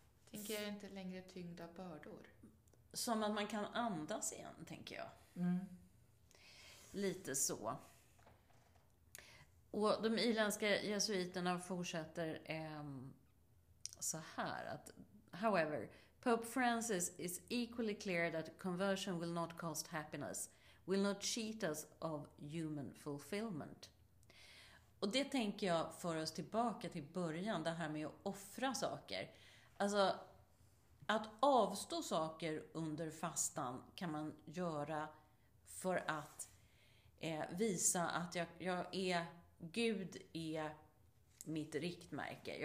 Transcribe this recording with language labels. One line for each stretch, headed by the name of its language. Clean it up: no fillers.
Swedish: Tänker jag inte längre tyngda bördor. Som att man kan andas igen, tänker jag. Mm. Lite så. Och de irländska jesuiterna fortsätter så här.
English: Att, however, Pope Francis is equally clear that conversion will not cost happiness, will not cheat us of human fulfillment.
Swedish: Och det tänker jag för oss tillbaka till början, det här med att offra saker. Alltså, att avstå saker under fastan kan man göra för att visa att Gud är mitt riktmärke.